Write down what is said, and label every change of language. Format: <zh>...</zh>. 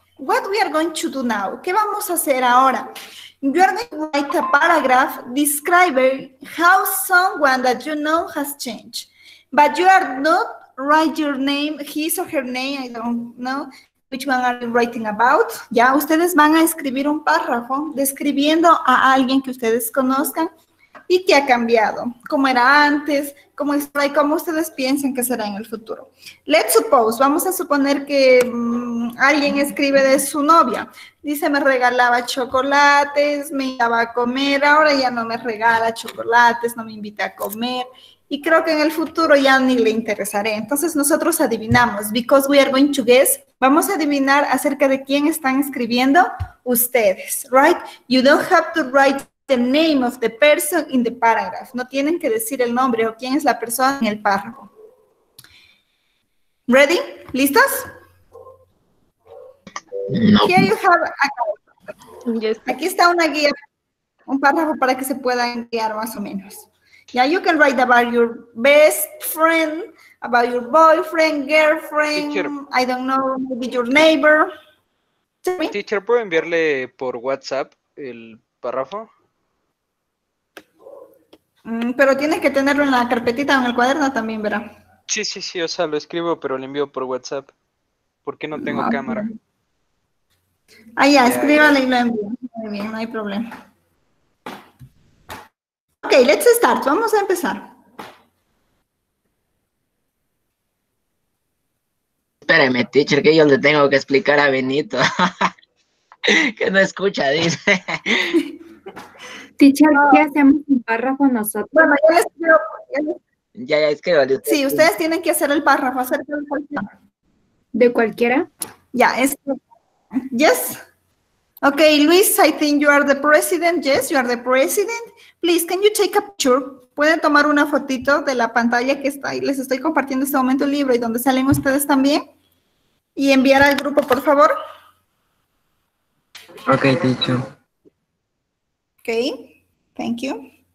<en>What we are going to do now?</en> <es>¿Qué vamos a hacer ahora?</es> <en>You are going to write a paragraph describing how someone that you know has changed, but you are not write your name, his or her name. I don't know which one are you writing about. Yeah.</en> <es>Ustedes van a escribir un párrafo describiendo a alguien que ustedes conozcan. ¿Y qué ha cambiado? ¿Cómo era antes? ¿Cómo es? ¿Cómo ustedes piensan que será en el futuro?</es> <en>Let's suppose,</en> <es>vamos a suponer que alguien escribe de su novia. Dice, me regalaba chocolates, me iba a comer, ahora ya no me regala chocolates, no me invita a comer. Y creo que en el futuro ya ni le interesaré. Entonces nosotros adivinamos,</es> <en>because we are going to guess,</en> <es>vamos a adivinar acerca de quién están escribiendo ustedes,</es> <en>right? You don't have to write the name of the person in the paragraph.</en> <es>No tienen que decir el nombre o quién es la persona en el párrafo.</es> <en>Ready?</en> <es>¿Listos?</es> <en>No. Here you have a... yes.</en> <es>Aquí está una guía, un párrafo para que se puedan guiar más o menos.</es> <en>Yeah, you can write about your best friend, about your boyfriend, girlfriend, teacher. I don't know, maybe your neighbor.</en> <es>Teacher, ¿puedo enviarle por WhatsApp el párrafo? Pero tiene que tenerlo en la carpetita o en el cuaderno también, verá. Sí, sí, sí, o sea, lo escribo, pero lo envío por WhatsApp. ¿Por qué no tengo cámara? Ah, ya, escríbale y lo envío. Muy bien, no hay problema.</es> <en>Ok, let's start.</en> <es>Vamos a empezar. Espérame, teacher, que yo le tengo que explicar a Benito. Que no escucha, dice. Teacher, ¿qué hacemos un párrafo nosotros? Bueno, ya les quiero. Ya es que vale. Sí, ustedes tienen que hacer el párrafo acerca de cualquiera. ¿De cualquiera? Ya, es.</es> <en>Yes. Ok, Luis, I think you are the president. Yes, you are the president. Please, can you take a picture?</en> <es>¿Pueden tomar una fotito de la pantalla que está ahí? Les estoy compartiendo en este momento el libro y donde salen ustedes también. Y enviar al grupo, por favor.</es> <en>Ok, teacher. Okay, thank you.</en>